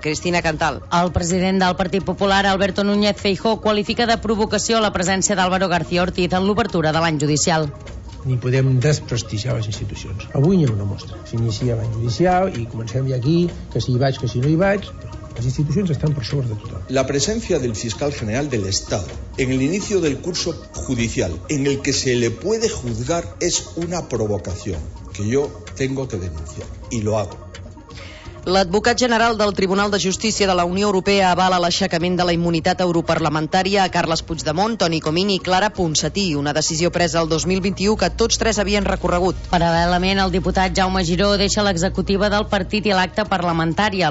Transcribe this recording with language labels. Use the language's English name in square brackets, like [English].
[Catalan] Cristina Cantal. El president del Partit Popular, Alberto Núñez Feijóo, qualifica de provocació la presència d'Álvaro García Ortiz en l'obertura de l'any judicial. Ni podem desprestigiar les institucions. Avui n'hi ha una mostra. S'inicia l'any judicial i comencem ja aquí, que si hi vaig, que si no hi vaig... [Spanish] Las instituciones están por sobre de todo. La presencia del fiscal general del Estado en el inicio del curso judicial en el que se le puede juzgar es una provocación que yo tengo que denunciar y lo hago. [Catalan] L'advocat general del Tribunal de Justícia de la Unió Europea avala l'aixecament de la immunitat europarlamentària a Carles Puigdemont, Toni Comín i Clara Ponsatí, una decisió presa el 2021 que tots tres havien recorregut. Paral·lelament, el diputat Jaume Giró deixa l'executiva del partit i l'acta parlamentària.